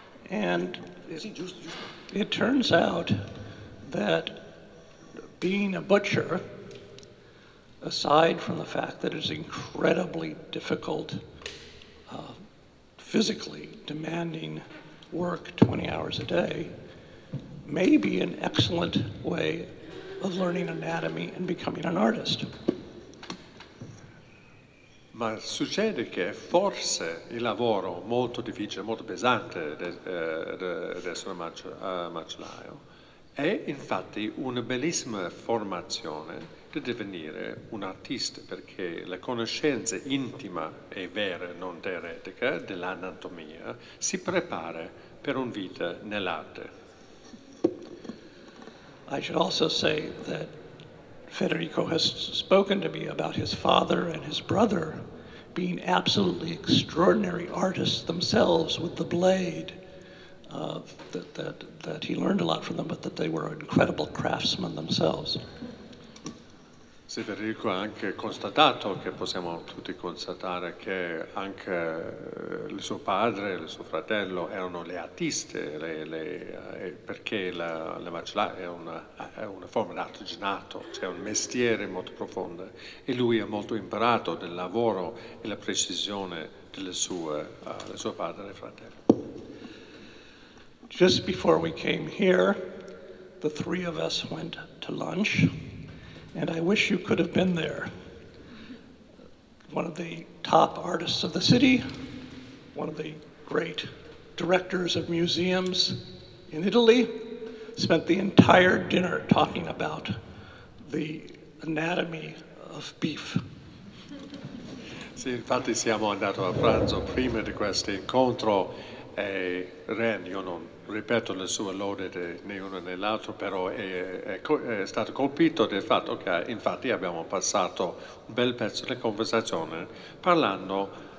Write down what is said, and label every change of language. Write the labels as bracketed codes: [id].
[en] And it turns out that being a butcher, aside from the fact that it's incredibly difficult physically demanding work 20 hours a day, may be an excellent way of learning anatomy and becoming an artist. [it] Ma succede che forse il lavoro molto difficile, molto pesante di essere macellaio è infatti una bellissima formazione di divenire un artista, perché la conoscenza intima e vera, non teoretica, dell'anatomia si prepara per un vita nell'arte. [en] I should also say that Federico has spoken to me about his father and his brother being absolutely extraordinary artists themselves with the blade, that he learned a lot from them, but that they were incredible craftsmen themselves. [it] Sì, Federico ha anche constatato, che possiamo tutti constatare, che anche il suo padre e il suo fratello erano le artiste, perché la macellaio è una forma d'artigianato, cioè un mestiere molto profondo, e lui ha molto imparato del lavoro e la precisione del suo padre e fratello. [en] Just before we came here, the three of us went to lunch. And I wish you could have been there. One of the top artists of the city, one of the great directors of museums in Italy, spent the entire dinner talking about the anatomy of beef. [it] Sì, infatti siamo andati a pranzo prima di questo incontro e Ren, io non ripeto le sue lode né uno né l'altro, però è stato colpito del fatto che infatti abbiamo passato un bel pezzo di conversazione parlando